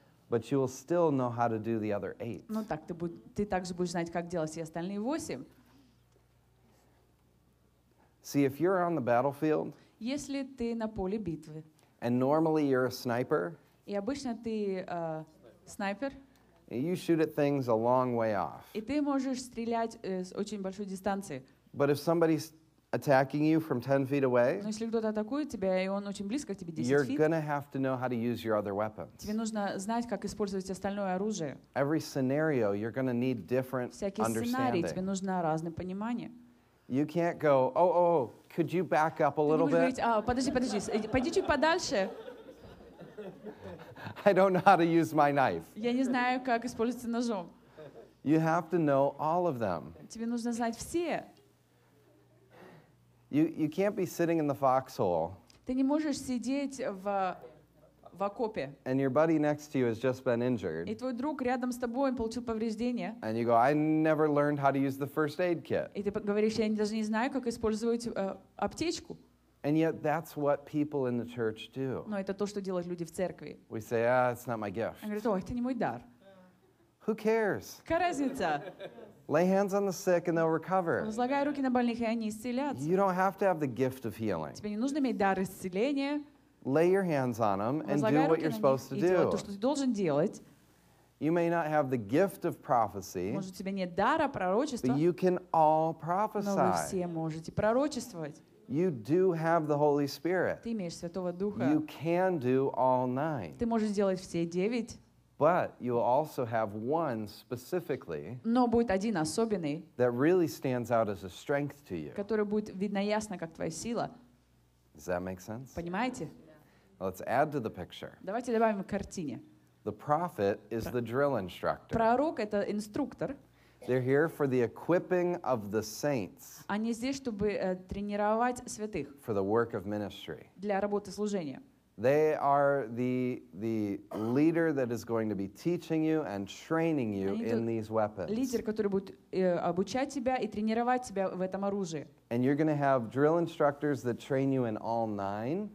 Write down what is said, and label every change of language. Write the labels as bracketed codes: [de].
[en] But you will still know how to do the other eight. [ru] Ну так ты также будешь знать, как делать все остальные восемь. [en] See, if you're on the battlefield, [ru] если ты на поле битвы, [en] and normally you're a sniper, [ru] и обычно ты снайпер, [en] you shoot at things a long way off. [ru] И ты можешь стрелять с очень большой дистанции. [en] But if somebody's attacking you from 10 feet away, [ru] но если кто-то атакует тебя, и он очень близко к тебе, 10 [en] feet, you're gonna have to know how to use your other weapons. [ru] Тебе нужно знать, как использовать остальное оружие. [en] Every scenario, you're gonna need different [ru] всякий [en] understanding. [ru] Всякий сценарий, тебе нужно разное понимание. [en] You can't go, oh, could you back up a little bit? [ru] Подожди, пойди чуть подальше. [en] I don't know how to use my knife. [ru] Я не знаю, как использовать ножом. [en] You have to know all of them. [ru] Тебе нужно знать все. [en] You can't be sitting in the foxhole. [ru] Ты не можешь сидеть в окопе. [en] And your buddy next to you has just been injured. [ru] И твой друг рядом с тобой получил повреждение. [en] And you go, I never learned how to use the first aid kit. [ru] И ты говоришь, я даже не знаю, как использовать аптечку. [en] And yet that's what people in the church do. [ru] Но это то, что делают люди в церкви. [en] We say, ah, it's not my gift. [ru] Они говорят, это не мой дар. [en] Who cares? [ru] Какая разница? [en] Lay hands on the sick and they'll recover. [ru] Возлагай руки на больных, и они исцелятся. [en] You don't have to have the gift of healing. [ru] Тебе не нужно иметь дар исцеления. [en] Lay your hands on them and do what you're supposed to do. [ru] То, что ты должен делать. [en] You may not have the gift of prophecy. [ru] Может, у тебя нет дара пророчества. [en] But you can all prophesy. [ru] Но вы все можете пророчествовать. [en] You do have the Holy Spirit. [ru] Ты имеешь Святого Духа. [en] You can do all nine. [ru] Ты можешь сделать все девять. [en] But you also have one specifically. [ru] Но будет один особенный. [en] That really stands out as a strength to you. [ru] Который будет видно ясно как твоя сила. [en] Does that make sense? [ru] Понимаете? [en] Let's add to the picture. [ru] Давайте добавим к картине. [en] The prophet is the drill instructor. [ru] Пророк это инструктор. [en] They're here for the equipping of the saints. [ru] Они здесь, чтобы тренировать святых. [en] For the work of ministry. [ru] Для работы служения. [en] They are the leader that is going to be teaching you and training you in these weapons. [ru] Лидер, который будет обучать тебя и тренировать тебя в этом оружии. [en] And you're going to have drill instructors that train you in all nine.